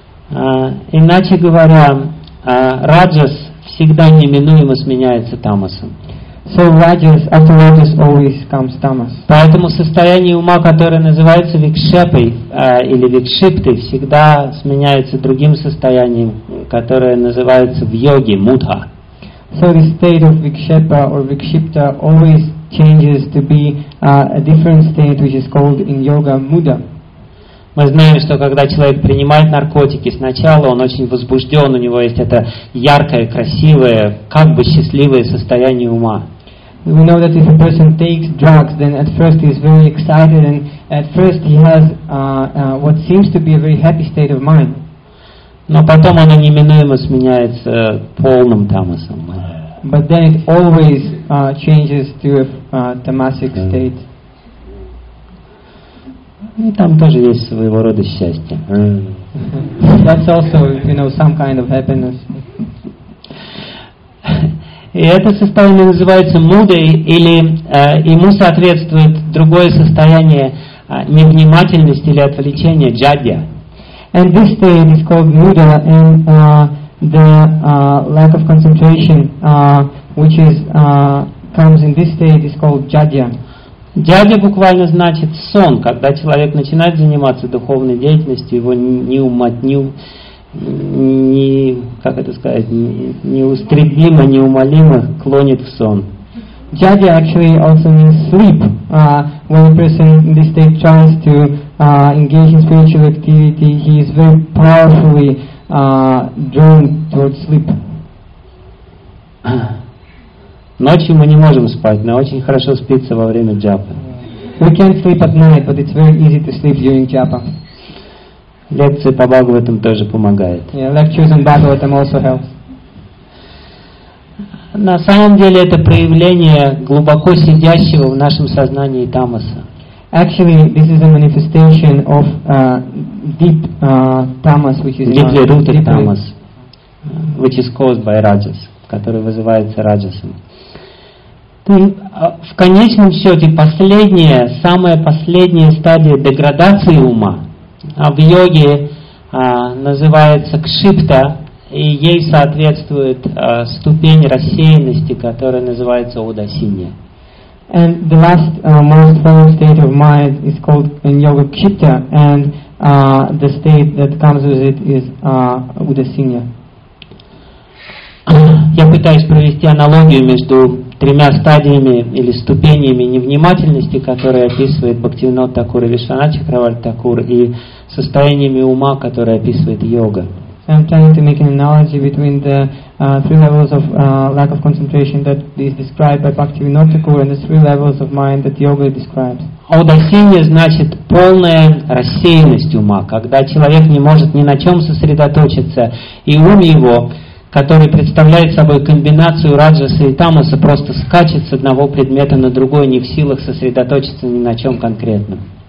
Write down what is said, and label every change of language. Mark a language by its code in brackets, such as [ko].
[ru] Иначе говоря, раджас всегда неминуемо сменяется тамасом. [en] So rajas, after rajas always comes tamas. [ru] Поэтому состояние ума, которое называется викшепой или викшиптой, всегда сменяется другим состоянием, которое называется в йоге мудха. [en] So the state of vikshepa or vikshipta always changes to be a different state, which is called in yoga mudha. [ru] Мы знаем, что когда человек принимает наркотики, сначала он очень возбужден, у него есть это яркое, красивое, как бы счастливое состояние ума. [en] We know that if a person takes drugs, then at first he is very excited, and at first he has what seems to be a very happy state of mind. [ru] Но потом оно неминуемо сменяется полным тамасом. [en] But then it always changes to a tamasic state. [ru] И там тоже есть своего рода счастье. [en] That's also, you know, some kind of happiness. [ru] И это состояние называется мудой, или ему соответствует другое состояние невнимательности или отвлечения, джадья. [en] And this state is called mudha, and lack of concentration, which is comes in this state, is called jhadya. [ru] Jhadya буквально значит сон. Когда человек начинает заниматься духовной деятельностью, его неустремимо, неумолимо клонит в сон. [en] Jhadya actually also means sleep. When a person in this state tries to engage in spiritual activity, he is very powerfully drawn towards sleep. [ru] Ночью мы не можем спать, но очень хорошо спится во время джапы. [en] We can't sleep at night, but it's very easy to sleep during japa. [ru] Лекции по Бхагаватам тоже помогают. [en] Yeah, lectures on Bhagavatam also helps. [ru] На самом деле это проявление глубоко сидящего в нашем сознании тамаса. [en] Actually, this is a manifestation of deep tamas, which is deeply rooted tamas, which is caused by rajas, [ru] который вызывается раджасом. В конечном счете последняя, самая последняя стадия деградации ума в йоге называется кшипта, и ей соответствует ступень рассеянности, которая называется удасинья. [en] And the last most fallen state of mind is called in yoga kshipta, and the state that comes with it is udasinya. [ru] Я пытаюсь провести аналогию между тремя стадиями или ступенями невнимательности, которые описывает Бхактивинода Тхакур и Вишванатха Чакраварти Тхакур, и состояниями ума, которые описывает йога. [en] I'm trying to make an analogy between the three levels of lack of concentration that is described by Bhaktivinoda Thakura and the three levels of mind that yoga describes. [ru] Удасинья значит полная рассеянность ума, когда человек не может ни на чем сосредоточиться, и ум его, который представляет собой комбинацию раджаса и тамаса, просто скачет с одного предмета на другой, не в силах сосредоточиться ни на чем конкретном.